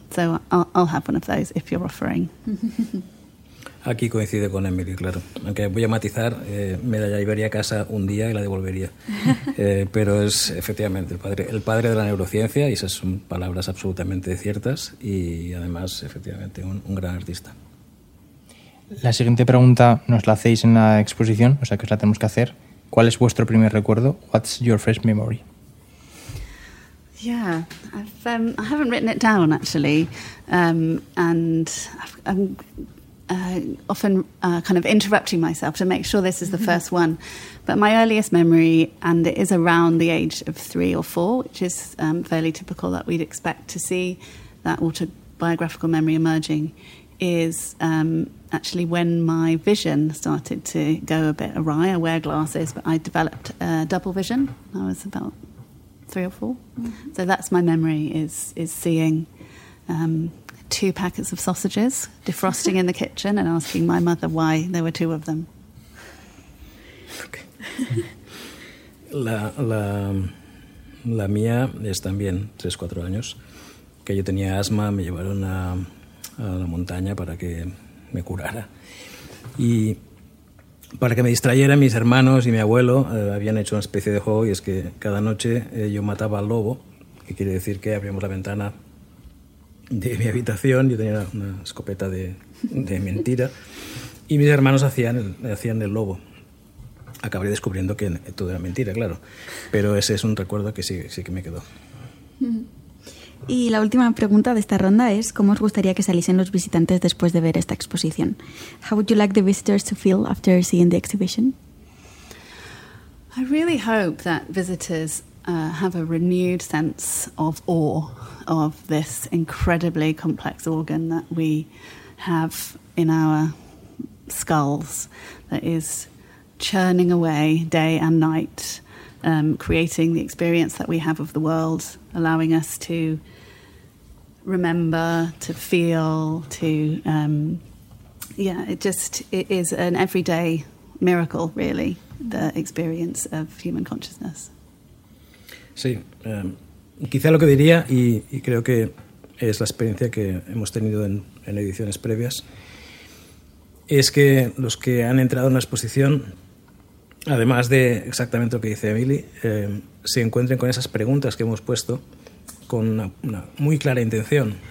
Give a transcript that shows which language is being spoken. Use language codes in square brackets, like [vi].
[en] So I'll have one of those if you're offering. [es] Aquí coincide con Emily, claro. Aunque voy a matizar, me la llevaría a casa un día y la devolvería. Pero es efectivamente el padre de la neurociencia, y esas son palabras absolutamente ciertas, y además efectivamente un gran artista. La siguiente pregunta nos la hacéis en la exposición, o sea que os la tenemos que hacer. ¿Cuál es vuestro primer recuerdo? [en] What's your first memory? Yeah, I haven't written it down actually, and I'm often kind of interrupting myself to make sure this is the first one. But my earliest memory, and it is around the age of 3 or 4, which is fairly typical that we'd expect to see that autobiographical memory emerging, is actually when my vision started to go a bit awry. I wear glasses, but I developed double vision. I was about 3 or 4. Mm-hmm. So that's my memory, is seeing 2 packets of sausages defrosting in the kitchen and asking my mother why there were 2 of them. Okay. [es] La mía es también 3-4 años, que yo tenía asma, me llevaron a la montaña para que me curara. Y para que me distrayera, mis hermanos y mi abuelo habían hecho una especie de juego, y es que cada noche yo mataba al lobo, que quiere decir que abríamos la ventana de mi habitación, yo tenía una escopeta de mentira, y mis hermanos hacían el lobo. Acabaré descubriendo que todo era mentira, claro, pero ese es un recuerdo que sí que me quedó. Y la última pregunta de esta ronda es, ¿cómo os gustaría que saliesen los visitantes después de ver esta exposición? [en] How would you like the visitors to feel after seeing the exhibition? I really hope that visitors have a renewed sense of awe of this incredibly complex organ that we have in our skulls, that is churning away day and night, creating the experience that we have of the world, allowing us to remember, to feel, to it is an everyday miracle, really, the experience of human consciousness. [es] Sí, quizá lo que diría, y creo que es la experiencia que hemos tenido en ediciones previas, es que los que han entrado en la exposición, además de exactamente lo que dice Emily, se encuentren con esas preguntas que hemos puesto con una muy clara intención.